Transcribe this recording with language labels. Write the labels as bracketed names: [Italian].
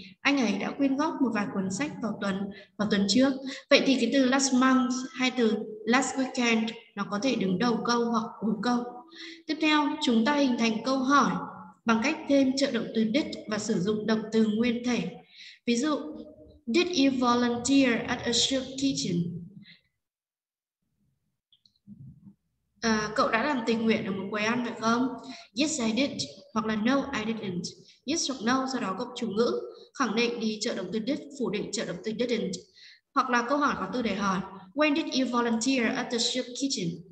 [Vietnamese] Anh ấy đã quyên góp một vài cuốn sách vào tuần trước. Vậy thì cái từ last month hay từ last weekend nó có thể đứng đầu câu hoặc cuối câu. Tiếp theo, chúng ta hình thành câu hỏi bằng cách thêm trợ động từ did và sử dụng động từ nguyên thể. Ví dụ, [English] did you volunteer at a soup kitchen? [Vietnamese] Cậu đã làm tình nguyện ở một quầy ăn phải không? [English] Yes, I did. [Vietnamese] Hoặc là [English] no, I didn't. [Vietnamese] Yes hoặc no, sau đó cộng chủ ngữ, khẳng định đi trợ động từ did, phủ định trợ động từ didn't. Hoặc là câu hỏi có từ để hỏi, [English] when did you volunteer at the soup kitchen?